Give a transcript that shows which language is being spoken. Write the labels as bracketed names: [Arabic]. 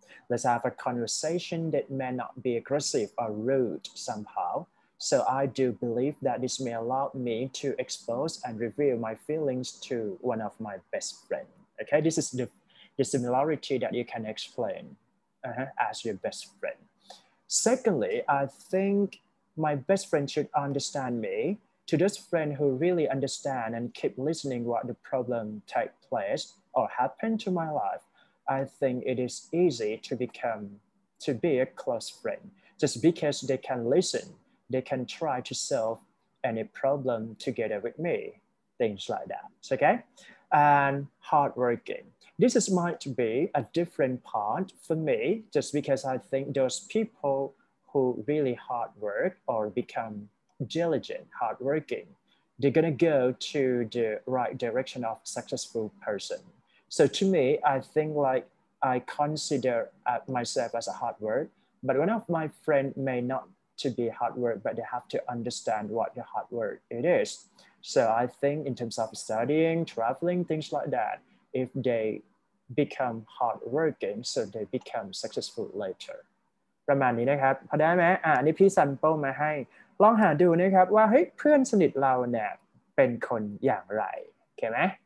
[English] let's have a conversation that may not be aggressive or rude somehow so I do believe that this may allow me to expose and reveal my feelings to one of my best friend okay this is the similarity that you can explain as your best friendSecondly, I think my best friend should understand me. To those friends who really understand and keep listening what the problem take place or happen to my life, I think it is easy to be a close friend just because they can listen, they can try to solve any problem together with me, things like that, okay? And hardworking. This is might be a different part for me, just because I think those people who really hard work or become diligent, hardworking, they're gonna go to the right direction of successful person. So to me, I think like I consider myself as a hard work, but one of my friend may not to be hard work, but they have to understand what the hard work it is. So I think in terms of studying, traveling, things like that, if they,become hardworking so they become successful later [Thai] ประมาณนี้นะครับพอได้ไหมอันนี้พี่ซัมเปิลมาให้ลองหาดูนะครับว่าเฮ้ยเพื่อนสนิทเราเนี่ยเป็นคนอย่างไรโอเคไหม